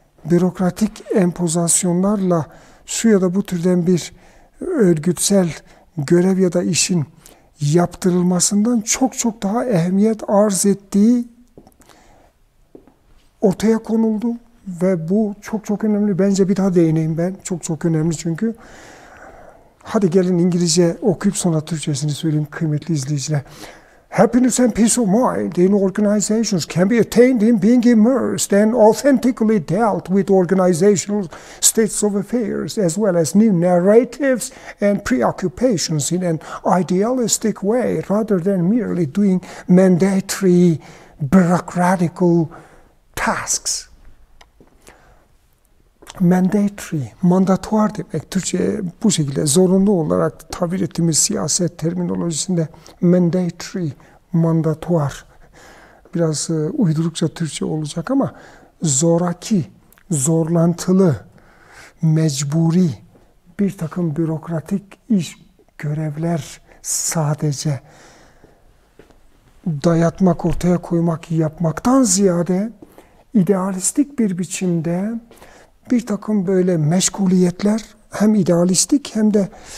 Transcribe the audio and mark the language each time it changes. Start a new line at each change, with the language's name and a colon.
Turkish: bürokratik empozisyonlarla şu ya da bu türden bir örgütsel görev ya da işin yaptırılmasından çok çok daha ehemmiyet arz ettiği ortaya konuldu. Ve bu çok çok önemli. Bence bir daha değineyim ben. Çok çok önemli çünkü. Hadi gelin İngilizce okuyup sonra Türkçesini söyleyeyim kıymetli izleyiciler.
English: Happiness and peace of mind in organizations can be attained in being immersed and authentically dealt with organizational states of affairs as well as new narratives and preoccupations in an idealistic way rather than merely doing mandatory bureaucratical tasks.
Turkish: Mandatory, mandatuar demek. Türkçe bu şekilde zorunlu olarak tabir ettiğimiz siyaset terminolojisinde mandatory, mandatuar. Biraz uydurukça Türkçe olacak ama zoraki, zorlantılı, mecburi bir takım bürokratik iş görevler sadece dayatmak, ortaya koymak, yapmaktan ziyade idealistik bir biçimde bir takım böyle meşguliyetler hem idealistik hem de